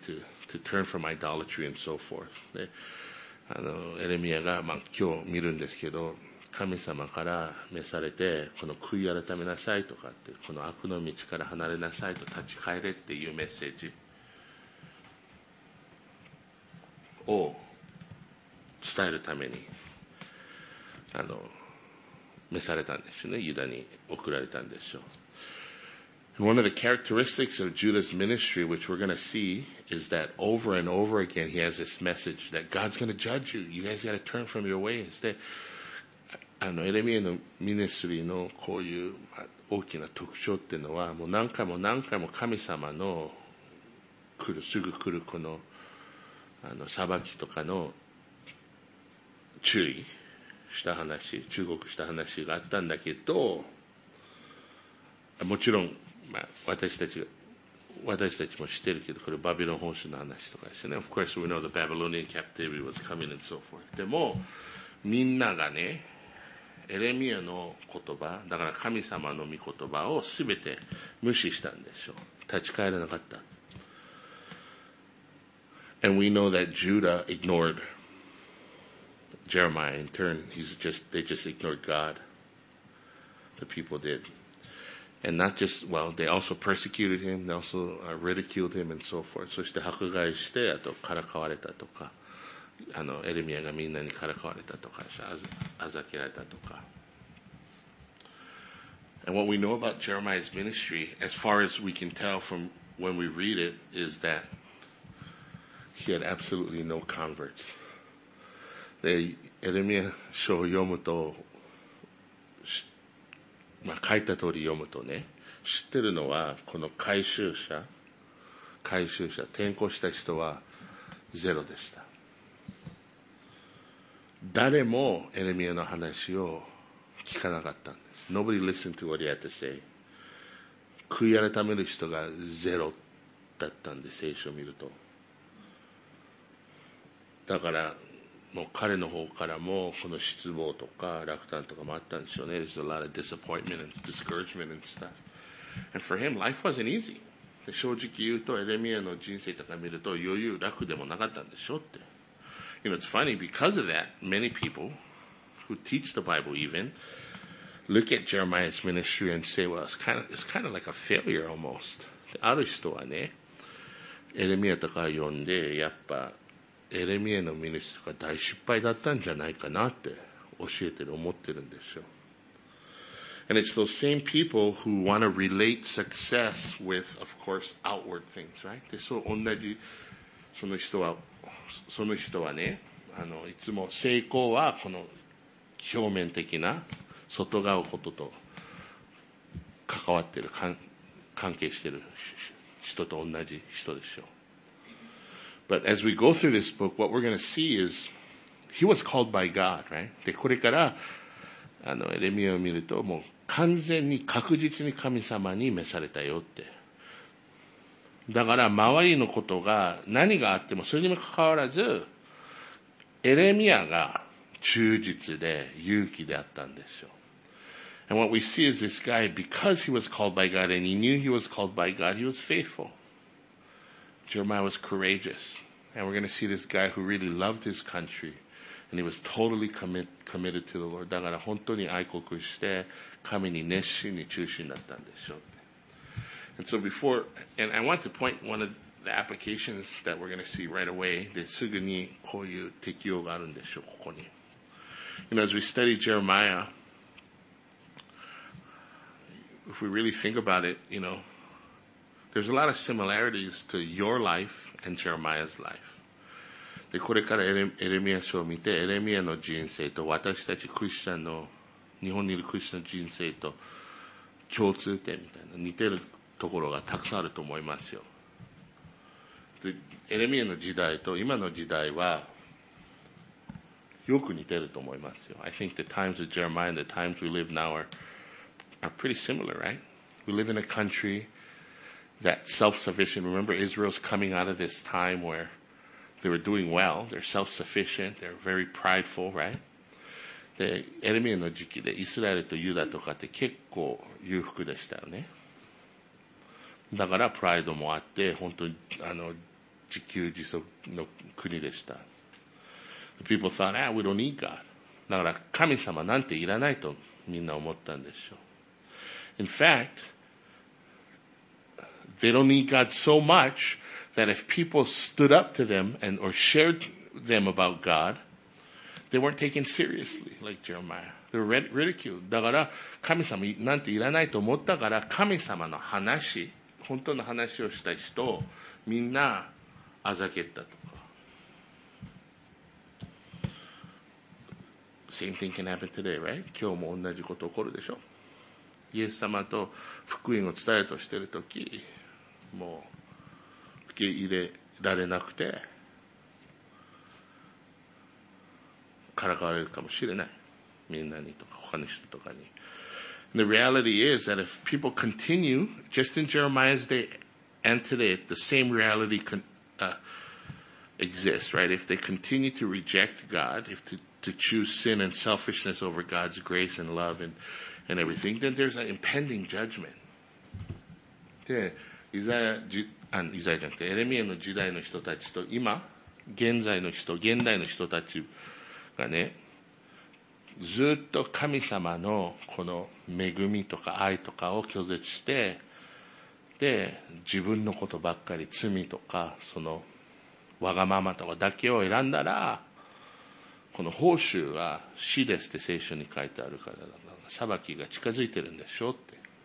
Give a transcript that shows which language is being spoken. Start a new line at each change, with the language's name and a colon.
English: To turn from idolatry and so forth.
Japanese: で、あの、エレミアが、まあ、今日見るんですけど、神様から召されて、この悔い改めなさいとかって、この悪の道から離れなさいと立ち返れっていうメッセージを伝えるために、あの、召されたんですよね。ユダに送られたんでしょう。
English: One of the characteristics of Judah's ministry, which we're going to see, is that over and over again, he has this message that God's going to judge you. You guys got to turn from your ways.
Japanese: あの、エレミエのミネスリーのこういう大きな特徴っていうのは、もう何回も何回も神様の来る、すぐ来るこの、あの、裁きとかの注意した話、忠告した話があったんだけど、もちろん、まあ、私たちも知ってるけど、これバビロン本州の話とかですよね。
English: Of course we know the Babylonian captivity was coming and so forth.
Japanese: でも、みんながね、エレミアの言葉、だから神様の御言葉をすべて無視したんでしょう。立ち返らなかった。
English: And we know that Judah ignored Jeremiah in turn. They just ignored God. The people did. And not just, well, they also persecuted him, they also ridiculed him and so forth.
Japanese: そして迫害して、あとからかわれたとか。あの、エレミアがみんなにからかわれたとか、あざけられたとか。
English: And what we know about Jeremiah's ministry, as far as we can tell from when we read it, is that he had absolutely no converts.
Japanese: で、エレミア書を読むと、まあ、書いた通り読むとね、知ってるのは、この回収者、転校した人はゼロでした。誰もエレミアの話を聞かなかったんです。
English: Nobody listened to what he had to say.
Japanese: 悔い改める人がゼロだったんで、聖書を見ると。だから、もう彼の方からも、この失望とか落胆とかもあったんでしょうね。
English: There's a lot of disappointment and discouragement and stuff. And for him, life wasn't easy.
Japanese: で、正直言うと、エレミアの人生とか見ると、余裕楽でもなかったんでしょうって。
English: You know, it's funny, because of that, many people who teach the Bible even look at Jeremiah's ministry and say, well, it's kind of like a failure almost.
Japanese: ある人はね、エレミアとか読んで、やっぱエレミアのミニストが大失敗だったんじゃないかなって教えてる、思ってるんですよ。
English: And it's those same people who want to relate success with, of course, outward things, right?
Japanese: で、そう、同じ、その人はね、いつも成功はこの表面的な外側ことと関わってる、関係してる人と同じ人でしょう。
English: But as we go through this book, what we're going to see is, he was called by God, right?
Japanese: で、これから、エレミアを見ると、もう、完全に確実に神様に召されたよって。だから周りのことが何があってもそれにも関わらず、エレミアが忠実で勇気であったんですよ。
English: And what we see is this guy, because he was called by God and he knew he was called by God, he was faithful. Jeremiah was courageous. And we're going to see this guy who really loved his country. And he was totally committed to the Lord.
Japanese: だから本当に愛国して、神に熱心に忠心だったんでしょう。
English: And so before, and I want to point one of the applications that we're going to see right away.
Japanese: ですぐにこういう適用があるんでしょう、ここに。
English: You know, as we study Jeremiah, if we really think about it, you know, there's a lot of similarities to your life and Jeremiah's life.
Japanese: で、これからエレミア書を見て、エレミアの人生と私たちクリスチャンの日本にいるクリスチャンの人生と共通点みたいな、似てるところがたくさんあると思いますよ。で、エレミアの時代と今の時代はよく似てると思いますよ。
English: I think the times of Jeremiah and the times we live now are pretty similar, right? We live in a country that's self-sufficient. Remember, Israel's coming out of this time where they were doing well, they're self-sufficient, they're very prideful, right?
Japanese: で、エレミアの時期でイスラエルとユダとかって結構裕福でしたよね。だからプライドもあって、本当に自給自足の国でした。
English: The people thought, ah, we don't need God.
Japanese: だから神様なんていらないとみんな思ったんでしょう。
English: In fact, they don't need God so much that if people stood up to them and or shared them about God,They weren't taken seriously, like Jeremiah. They were ridiculed.
Japanese: だから、神様なんていらないと思ったから、神様の話、本当の話をした人をみんなあざけったとか。
English: Same thing can happen today, right?
Japanese: 今日も同じこと起こるでしょ。イエス様と福音を伝えるとしてるとき、もう受け入れられなくて、からかわれるかもしれない。みんなにとか他の人とかに。
English: And、the reality is that if people continue, just in Jeremiah's day and today, the same reality exists, right? If they continue to reject God, if to choose sin and selfishness over God's grace and love and everything, then there's an impending judgment.
Japanese: で、イザヤじゃなくて、エレミアの時代の人たちと今、現代の人たち、がね、ずっと神様のこの恵みとか愛とかを拒絶して、で、自分のことばっかり罪とか、そのわがままとかだけを選んだら、この報酬は死ですって聖書に書いてあるから、裁きが近づいてるんでしょうって。